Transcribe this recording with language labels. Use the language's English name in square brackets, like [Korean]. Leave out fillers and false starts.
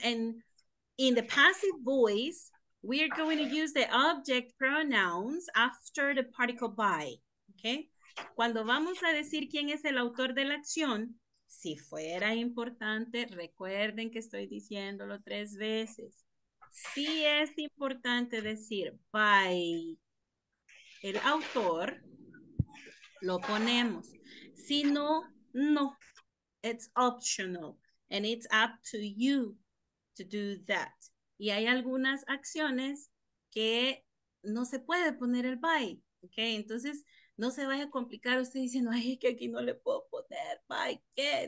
[English] And in the passive voice, we are going to use the object pronouns after the particle by, okay? [Spanish] Cuando vamos a decir quién es el autor de la acción, si fuera importante, recuerden que estoy diciéndolo tres veces. Si es importante decir by el autor, lo ponemos. Si no, no. [English] It's optional, and it's up to you to do that. [Spanish] Y hay algunas acciones que no se puede poner el by, okay? Entonces, no se vaya a complicar usted diciendo, ay, que aquí no le puedo poner by, ¿qué?